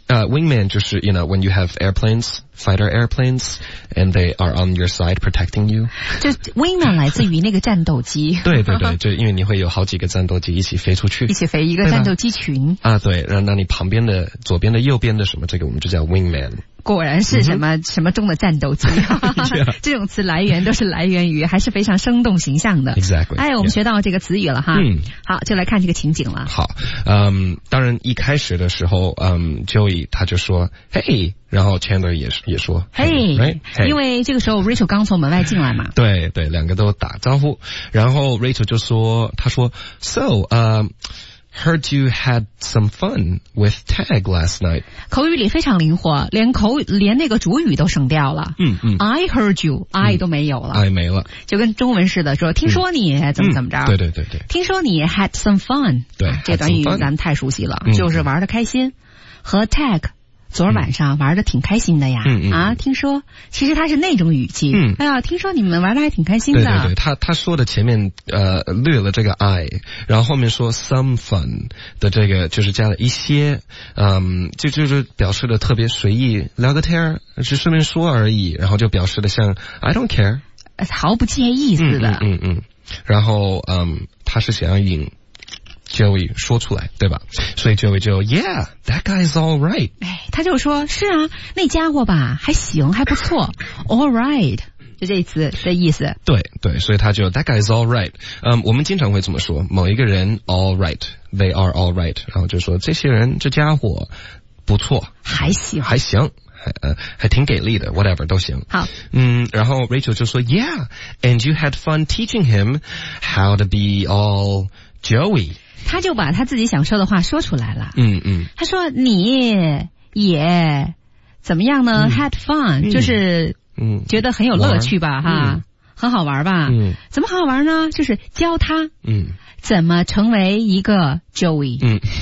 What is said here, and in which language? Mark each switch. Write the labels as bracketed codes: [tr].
[en] Wingman [zh] 就是 [en] you know, when you have airplanes, fighter airplanes, and they are on your side protecting you. [zh] 就 Wingman 来自于那个战斗机。对，就因为你会有好几个战斗机一起飞出去。一起飞一个战斗机群。啊对，然后那你旁边的左边的右边的什么这个我们就叫 Wingman。果然是什么、什么中的战斗机。这种词来源都是来源于还是非常生动形象的。 [en] Exactly. [zh] 哎我们学到这个词语了哈。好，就来看这个情景了。好当然一开始的时候Joey 他就说 Hey, 然后 Chandler 也说 [en] hey, right? [zh] hey, 因为这个时候 Rachel 刚从门外进来嘛。对，两个都打招呼。然后 Rachel 就说他说 [en] So, Heard you had some fun with Tag last night. [zh] 口语里非常灵活，连那个主语都省掉了。 [en] I heard you, I [zh] 都没有了。 I 没了。就跟中文似的说听说你怎么着。对。听说你 [en] had some fun. [zh] 对。这段语咱们太熟悉了，就是玩得开心。和 Tag, 昨晚上玩得挺开心的呀。听说其实他是那种语气。哎呀听说你们玩得还挺开心的。对他说的前面略了这个 I, 然后后面说 some fun 的这个就是加了一些就是表示的特别随意，聊个天是顺便说而已，然后就表示的像 [en] I don't care。 [zh] 毫不介意似的。然后他是想要引 j Joey 说出来，对吧？所以 Joey 就 [en] Yeah, that guy's all right. [zh] 哎，他就说，是啊，那家伙吧，还行，还不错。 All right, 就这一词的意思。对对，所以他就 [en] That guy's all right. [zh] 我们经常会这么说，某一个人 all right, [en] they are all right. [zh] 然后就说这些人，这家伙不错，还行，还行。还挺给力的 whatever 都行好然后 Rachel 就说 [en] Yeah and you had fun teaching him how to be all Joey [zh] 他就把他自己想说的话说出来了嗯他说你也怎么样呢、 [en] had fun [zh] 就是觉得很有乐趣吧哈很好玩吧怎么好玩呢就是教他怎么成为一个 Joey